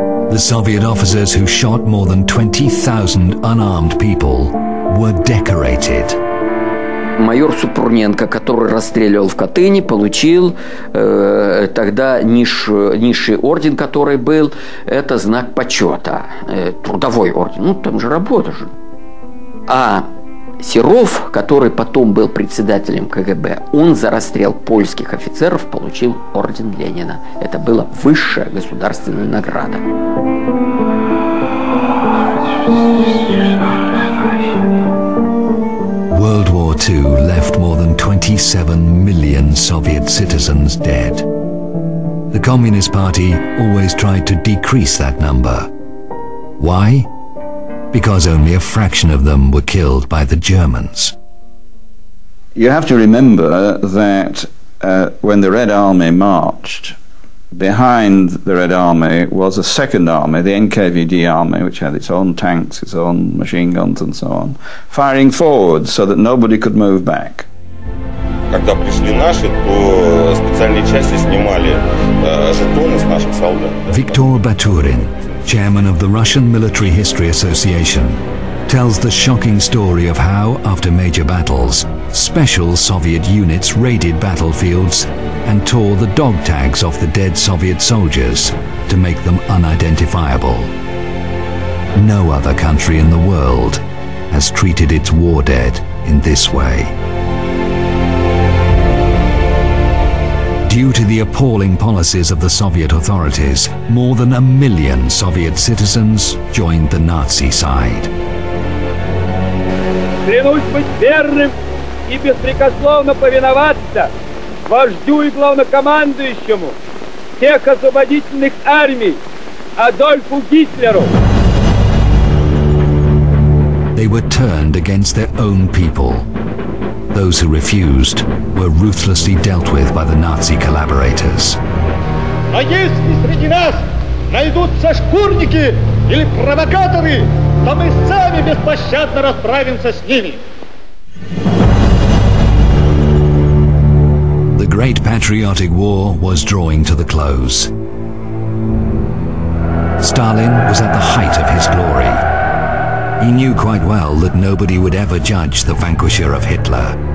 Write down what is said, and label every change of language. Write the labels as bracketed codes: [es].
[en] The Soviet officers who shot more than 20,000 unarmed people were decorated. [ru] Майор Супруненко, который расстреливал в Катыни, получил тогда низший орден, который был, это знак почета, трудовой орден. Ну, там же работа же. А Серов, который потом был председателем КГБ, он за расстрел польских офицеров получил орден Ленина. Это была высшая государственная награда. [en] World War II left more than 27 million Soviet citizens dead. The Communist Party always tried to decrease that number. Why? Because only a fraction of them were killed by the Germans. You have to remember that when the Red Army marched, behind the Red Army was a second army, the NKVD army, which had its own tanks, its own machine guns and so on, firing forward so that nobody could move back. [ru] Когда пришли наши, то специальные части снимали жетоны с наших солдат. [en] Виктор Батурин, chairman of the Russian Military History Association, tells the shocking story of how, after major battles, special Soviet units raided battlefields and tore the dog tags off the dead Soviet soldiers to make them unidentifiable. No other country in the world has treated its war dead in this way. Due to the appalling policies of the Soviet authorities, more than a million Soviet citizens joined the Nazi side. [ru] Клянусь быть верным и беспрекословно повиноваться вождю и главнокомандующему всех освободительных армий Адольфу Гитлеру. [en] They were turned against their own people. Those who refused were ruthlessly dealt with by the Nazi collaborators. [ru] А если среди нас найдутся шкурники или провокаторы, то мы сами беспощадно расправимся с ними. [en] The Great Patriotic War was drawing to the close. Stalin was at the height of his glory. He knew quite well that nobody would ever judge the vanquisher of Hitler.